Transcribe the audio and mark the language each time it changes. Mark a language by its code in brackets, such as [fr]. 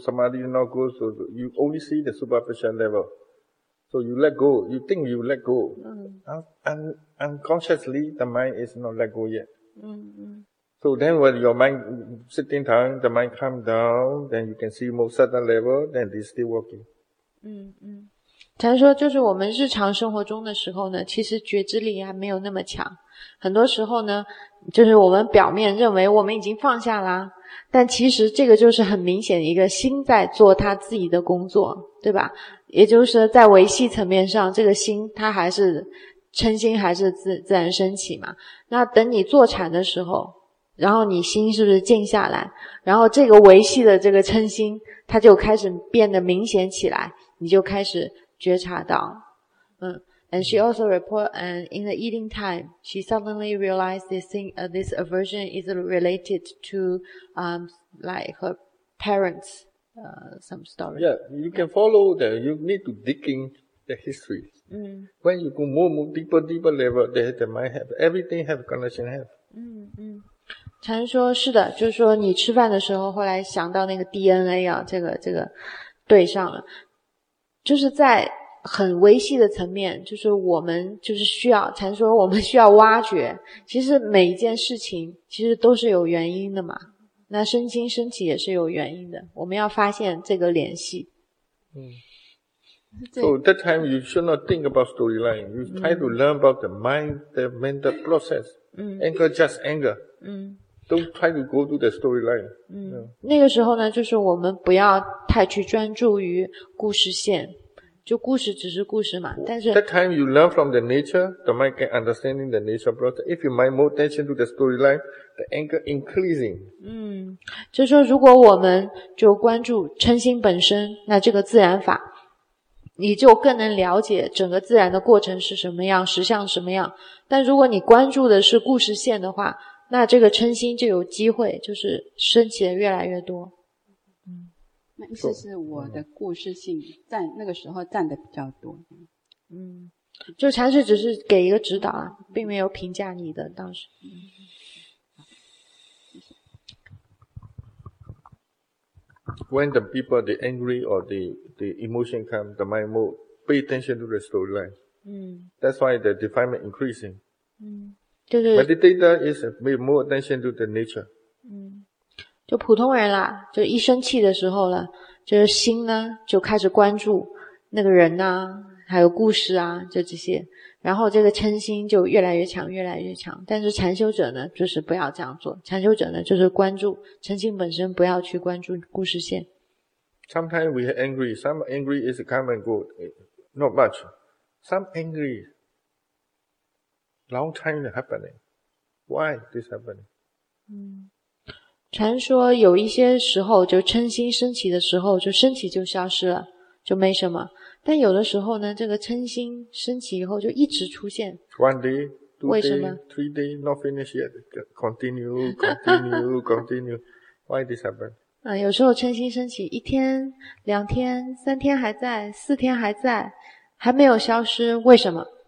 [en] Samadhi is not good. So you only see the superficial level. So you let go. You think you let go. Mm. Unconsciously, the mind is not let go yet. Mm-hmm. So then when your mind sitting down, the mind calm down, then you can see more certain level, then it's still working. [zh] 他说就是我们日常生活中的时候呢，其实觉知力还没有那么强。很多时候呢，就是我们表面认为我们已经放下啦，但其实这个就是很明显一个心在做他自己的工作，对吧？也就是在维系层面上，这个心它还是称心还是 自然升起嘛。那等你坐禅的时候，然后你心是不是静下来，然后这个维系的这个称心它就开始变得明显起来，你就开始觉察到。嗯。 [en] And she also report, and in the eating time, she suddenly realized this thing, this aversion is related to, like her parents, some story. Yeah, you can follow that. You need to dig in the history. Mm. When you go more deeper, deeper level, the mind have, everything have connection have. Mm-hmm. [zh] 禅说是的，就是说你吃饭的时候后来想到那个 DNA 啊，这个对上了，就是在很微细的层面，就是我们就是需要禅说，我们需要挖掘。其实每一件事情其实都是有原因的嘛，那身心升起也是有原因的，我们要发现这个联系。嗯。 [en] So that time you should not think about storyline. You try to learn about the mind, the mental process. Anger just anger. Don't try to go to the storyline. 嗯。 [zh] 那个时候呢，就是我们不要太去专注于故事线。就故事只是故事嘛，但是 [en] that time you learn from the nature, the mind can understanding the nature process. If you mind more attention to the storyline, the anger increasing. [zh] 嗯，就说如果我们就关注嗔心本身，那这个自然法，你就更能了解整个自然的过程是什么样，实相什么样。但如果你关注的是故事线的话，那这个嗔心就有机会就是升起的越来越多。那意思是我的故事性占那个时候占的比较多。嗯。就禅师只是给一个指导啊，并没有评价你的当时。 [en] When the people, they angry or the emotion come, the mind move, pay attention to the storyline. 嗯。 That's why the defilement increasing. [zh] 嗯。就是。 [en] Meditator is pay more attention to the nature. 嗯。 [zh] 就普通人啦，就一生气的时候了，就是心呢就开始关注那个人啊，还有故事啊，就这些，然后这个嗔心就越来越强越来越强。但是禅修者呢就是不要这样做，禅修者呢就是关注嗔心本身，不要去关注故事线。 [en] Sometimes we are angry, some angry is come and go, not much. Some angry long time happening. Why this happening? [zh] 嗯，传说有一些时候就嗔心升起的时候就升起就消失了，就没什么。但有的时候呢，这个嗔心升起以后就一直出现。 [en] One day, two day, three day, not finish yet. Continue, continue, continue. Why this happen? [zh] 有时候嗔心升起一天、两天、三天还在、四天还在，还没有消失，为什么？